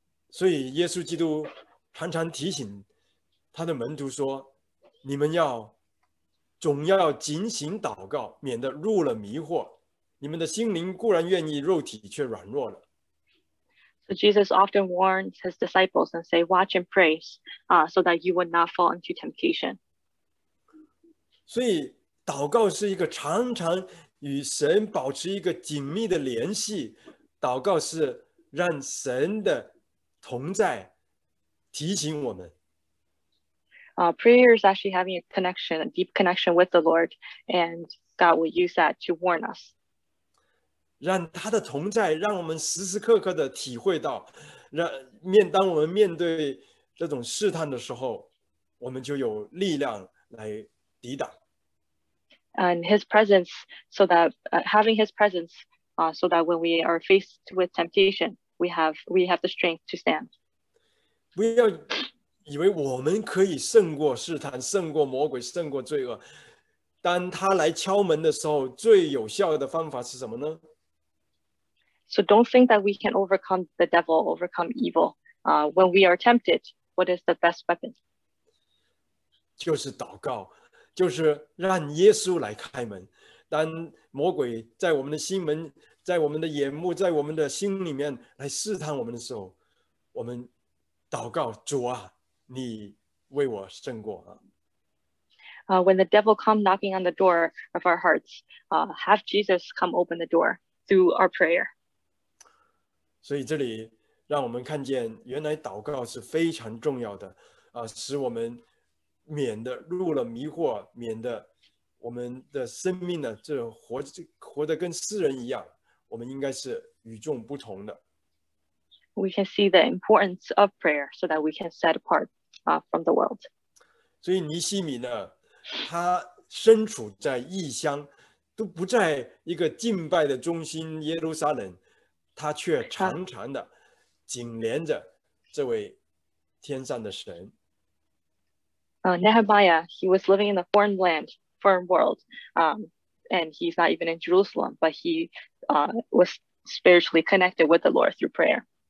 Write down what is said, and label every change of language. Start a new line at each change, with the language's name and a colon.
Chinese: 所以耶稣基督常常提醒他的门徒说。你们要总要警醒祷告，免得入了迷惑。你们的心灵固然愿意，肉体却软弱了。
English: So Jesus often warns his disciples and say, "Watch and pray, so that you would not fall into temptation."
Chinese: 所以祷告是一个常常与神保持一个紧密的联系。祷告是让神的同在提醒我们。
English: Prayer is actually having a connection, a deep connection with the Lord, and God will use that to warn us.
Chinese: 让他的同在让我们时时刻刻的体会到，当我们面对这种试探的时候，我们就有力量来抵挡。
English: And His presence, so that having His presence, so that when we are faced with temptation, we have the strength to stand.
Chinese: 不要。以为我们可以胜过试探，胜过魔鬼，胜过罪恶。当他来敲门的时候，最有效的方法是什么呢？
English: So don't think that we can overcome the devil, overcome evil. When we are tempted, what is the best weapon?
Chinese: 就是祷告，就是让耶稣来开门。当魔鬼在我们的心门，在我们的眼目，在我们的心里面来试探我们的时候，我们祷告，主啊。你为我胜过啊。
English: When the devil come knocking on the door of our hearts, have Jesus come open the door through our prayer.
Chinese: 所以这里让我们看见，原来祷告是非常重要的，使我们免得入了迷惑，免得我们的生命呢，活得跟世人一样，我们应该是与众不同的。
English: We can see the importance of prayer so that we can set apart from the world.
Chinese: 所以尼西米呢，他身处在异乡，都不在一个敬拜的中心耶路撒冷，他却常常的紧连着这位天上的神。
English: Nehemiah, he was living in a foreign land, foreign world, and he's not even in Jerusalem, but he was spiritually connected with the Lord through prayer.